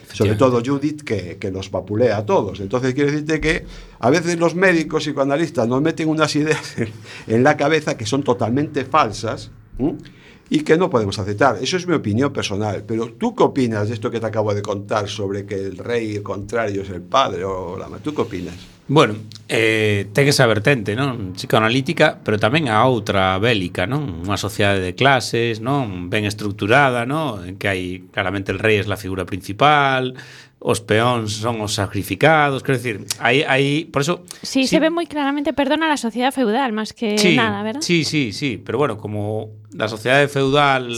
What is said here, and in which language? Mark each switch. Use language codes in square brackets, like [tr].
[es] Sobre todo Judith, que los vapulea a todos. Entonces quiero decirte que a veces los médicos y analistas nos meten unas ideas en la cabeza que son totalmente falsas, ¿sí? Y que no podemos aceptar. Eso es mi opinión personal. Pero ¿tú qué opinas de esto que te acabo de contar sobre que el rey contrario es el padre o la madre? ¿Tú qué opinas? [gl] Bueno, ten esa vertente, ¿no? Psicoanalítica, pero tamén a outra bélica, ¿no? Unha sociedade de clases, ¿no? Ben estructurada, ¿no? En que hai claramente [es] el rei es la figura principal, [gl] os peóns son os sacrificados, quero decir, hai por eso sí, se ve moi claramente, perdona, a sociedade feudal máis que sí, [es] nada, ¿verdad? [gl] Sí, sí, sí, pero bueno, como da sociedade feudal